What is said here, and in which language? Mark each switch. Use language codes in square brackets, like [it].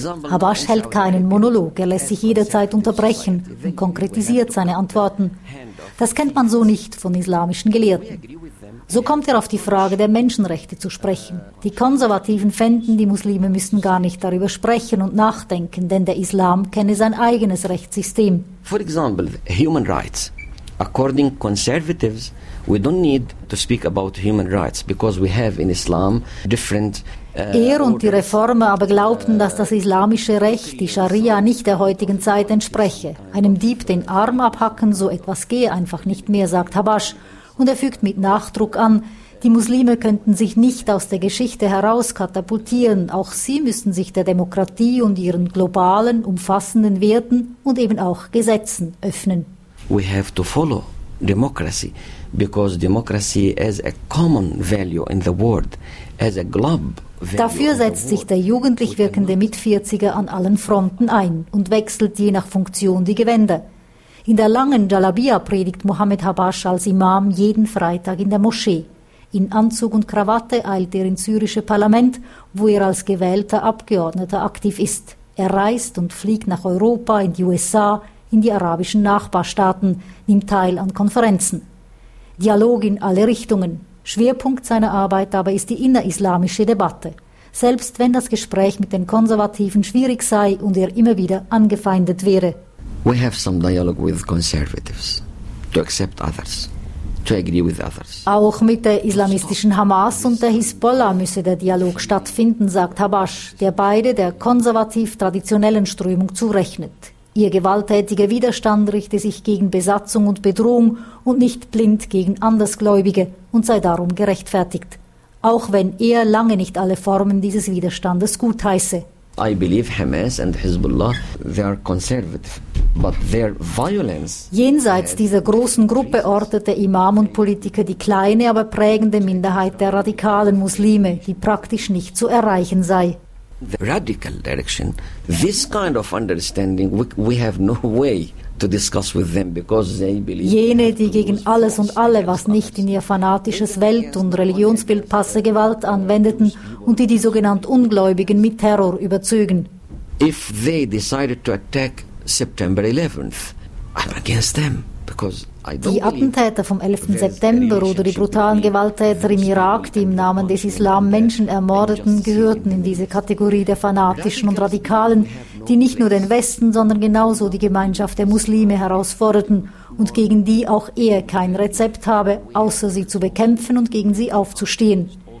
[de] Habash hält keinen Monolog, er lässt sich jederzeit unterbrechen und konkretisiert seine Antworten. Das kennt man so nicht von islamischen Gelehrten. So kommt er auf die Frage der Menschenrechte zu sprechen. Die Konservativen fänden, die Muslime müssen gar nicht darüber sprechen und nachdenken, denn der Islam kenne sein eigenes Rechtssystem. [en] For example, human rights. According conservatives, we don't need to speak about human rights because we have in Islam different. [de] Er und die Reformer aber glaubten, dass das islamische Recht, die Scharia, nicht der heutigen Zeit entspreche. Einem Dieb den Arm abhacken, so etwas gehe einfach nicht mehr, sagt Habash. Und er fügt mit Nachdruck an, Die Muslime könnten sich nicht aus der Geschichte heraus katapultieren. Auch sie müssen sich der Demokratie und ihren globalen, umfassenden Werten und eben auch Gesetzen öffnen. [en] We have to follow democracy, because democracy is a common value in the world, as a globe. [de] Dafür setzt sich der jugendlich wirkende Mit-40er an allen Fronten ein und wechselt je nach Funktion die Gewänder. In der langen Jalabia predigt Mohammed Habash als Imam jeden Freitag in der Moschee. In Anzug und Krawatte eilt er ins syrische Parlament, wo er als gewählter Abgeordneter aktiv ist. Er reist und fliegt nach Europa, in die USA, in die arabischen Nachbarstaaten, nimmt teil an Konferenzen. Dialog in alle Richtungen. Schwerpunkt seiner Arbeit aber ist die innerislamische Debatte. Selbst wenn das Gespräch mit den Konservativen schwierig sei und er immer wieder angefeindet wäre. [en] We have some dialogue with conservatives to accept others, to agree with others. [de] Auch mit der islamistischen Hamas und der Hisbollah müsse der Dialog stattfinden, sagt Habash, der beide der konservativ-traditionellen Strömung zurechnet. Ihr gewalttätiger Widerstand richte sich gegen Besatzung und Bedrohung und nicht blind gegen Andersgläubige und sei darum gerechtfertigt. Auch wenn er lange nicht alle Formen dieses Widerstandes gutheiße. [en] I believe Hamas and Hezbollah, they are conservative, but their violence. [de] Jenseits dieser großen Gruppe ortet der Imam und Politiker die kleine, aber prägende Minderheit der radikalen Muslime, die praktisch nicht zu erreichen sei. [en] The radical direction, this kind of understanding, we have no way to discuss with them, because they believe. [de] Jene, die gegen alles und alle, was nicht in ihr fanatisches Welt- und Religionsbild passe, Gewalt anwendeten und die sogenannten Ungläubigen mit Terror überzögen. [en] If they decided to attack September 11th, I'm against them, because. [de] Die Attentäter vom 11. September oder die brutalen Gewalttäter im Irak, die im Namen des Islam Menschen ermordeten, gehörten in diese Kategorie der Fanatischen und Radikalen, die nicht nur den Westen, sondern genauso die Gemeinschaft der Muslime herausforderten und gegen die auch er kein Rezept habe, außer sie zu bekämpfen und gegen sie aufzustehen.